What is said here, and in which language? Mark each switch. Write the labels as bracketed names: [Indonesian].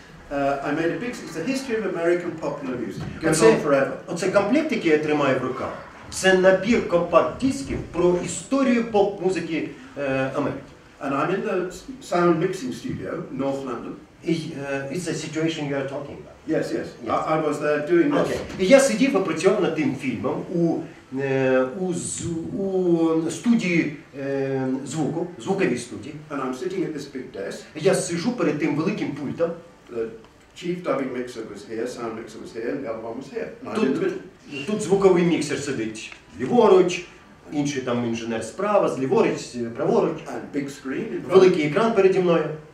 [English] I made a big, it's the history of American popular music. It goes on forever. [Ukrainian] Оце комплект, який я тримаю в руках, це набір компакт-дисків про історію поп-музики Америки. [English] And I'm in the sound mixing studio, North London. It's the situation you are talking about. Yes. I was there doing this. Okay. [Ukrainian] Я сидів і працював над тим фільмом у студії звуку, звуковій студії. [English] And I'm sitting at this big desk. [Ukrainian] Я сижу перед тим великим пультом. [English] The chief dubbing mixer was here, sound mixer was here, and the other one was here. [Ukrainian] Тут звуковий міксер сидить ліворуч, інший там інженер справа, зліворуч, праворуч. [English] And big screen. [Ukrainian] Великий екран переді мною.